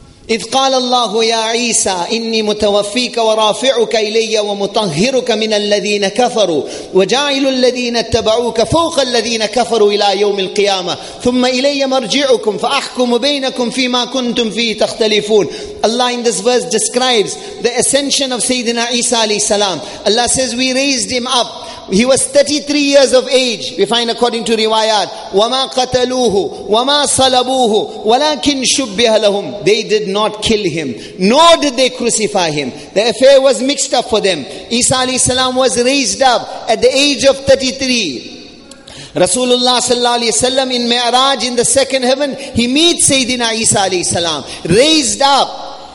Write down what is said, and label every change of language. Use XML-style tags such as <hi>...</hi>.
<ar>إِذْ قَالَ اللَّهُ يَا عِيسَىٰ إِنِّي مُتَوَفِّيكَ وَرَافِعُكَ إِلَيَّ وَمُطَهِّرُكَ مِنَ الَّذِينَ كَفَرُوا وَجَاعِلُ الَّذِينَ اتَّبَعُوكَ فَوْقَ الَّذِينَ كَفَرُوا إِلَىٰ يَوْمِ الْقِيَامَةِ ثُمَّ إِلَيَّ مَرْجِعُكُمْ فَأَحْكُمُ بَيْنَكُمْ فِي مَا كُنْتُمْ فِيهِ تَخْتَلِفُونَ.</ar> <en>Allah in this verse describes the ascension of Sayyidina Isa alayhi salam. Allah says, we raised him up. He was 33 years of age. We find according to riwayat,</en> <ar>وَمَا قَتَلُوهُ وَمَا صَلَبُوهُ وَلَكِنْ شُبِّهَ لَهُمْ.</ar> <en>They did not kill him, nor did they crucify him. The affair was mixed up for them. Isa alayhi salam was raised up at the age of 33. Rasulullah sallallahu alayhi wa sallam in Mi'raj in the second heaven, he meets Sayyidina Isa alayhi salam, raised up.</en>